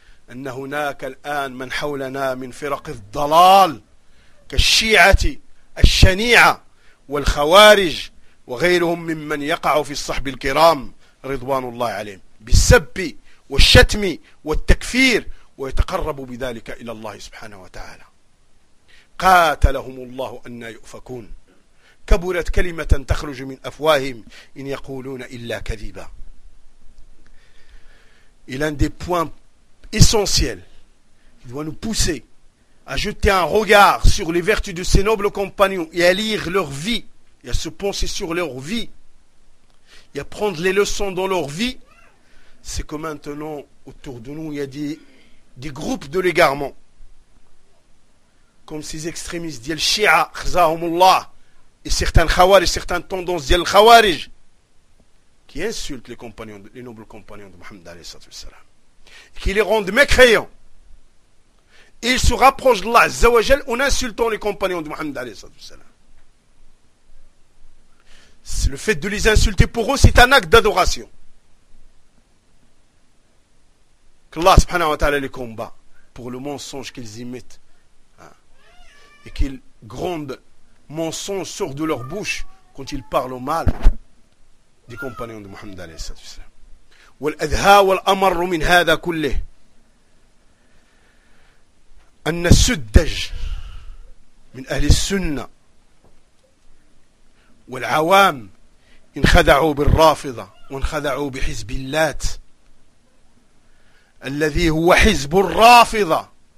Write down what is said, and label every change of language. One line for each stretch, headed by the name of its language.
Arabic: أن هناك الآن من حولنا من فرق الضلال كالشيعة الشنيعة والخوارج وغيرهم ممن يقع في الصحب الكرام رضوان الله عليهم بالسب والشتم والتكفير ويتقرب بذلك إلى الله سبحانه وتعالى. قاتلهم الله أن يؤفكون، كبرت كلمة تخرج من أفواههم إن يقولون إلا كذبا.
French: L'un des points essentiels qui doit nous pousser à jeter un regard sur les vertus de ces nobles compagnons et à lire leur vie et à se pencher sur leur vie et à prendre les leçons dans leur vie, c'est que maintenant autour de nous il y a des groupes de l'égarement comme ces extrémistes d'Yel Shia, Khzahumullah et certains Khawarij et certaines tendances d'Yel Khawarij qui insultent les nobles compagnons de Mohammed
Arabic: alayhi salatu wassalam,
French: qui les rendent mécréants. Et ils se rapprochent d'Allah Azza wa Jal en insultant les compagnons de Mohammed
Arabic: alayhi salatu wassalam.
French: Le fait de les insulter pour eux, c'est un acte d'adoration. Qu'Allah
Arabic: subhanahu wa ta'ala
French: les combat pour le mensonge qu'ils émettent. Hein, et qu'ils grondent mensonge sort de leur bouche quand ils parlent au mal des compagnons de Mohammed
Arabic: alayhi salatu wassalam. والأذهى والأمر من هذا كله أن السدج من أهل السنة والعوام انخدعوا بالرافضة وانخدعوا بحزب اللات الذي هو حزب الرافضة